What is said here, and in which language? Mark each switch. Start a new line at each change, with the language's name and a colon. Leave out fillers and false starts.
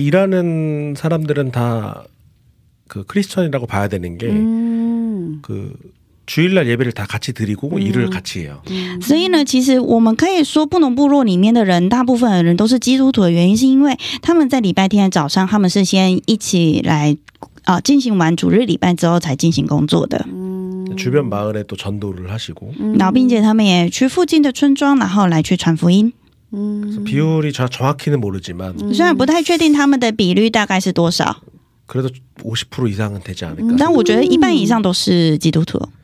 Korean: 일하는 사람들은 다 그 크리스천이라고 봐야 되는 게 그 주일날 예배를 다 같이 드리고 일을 같이 해요.
Chinese: 所以呢，其实我们可以说布农部落里面的人，大部分的人都是基督徒的原因，是因为他们在礼拜天的早上，他们是先一起来进行完主日礼拜之后才进行工作的。
Korean: 주변 마을에 또 전도를 하시고
Chinese: 나빈제他们也去附近的村庄然后来去传福音
Korean: 그래서 비율이 정확히는 모르지만
Chinese: 虽然不太确定他们的比率大概是多少
Korean: 그래도 50% 이상은 되지 않을까
Chinese: 但我觉得一半以上都是基督徒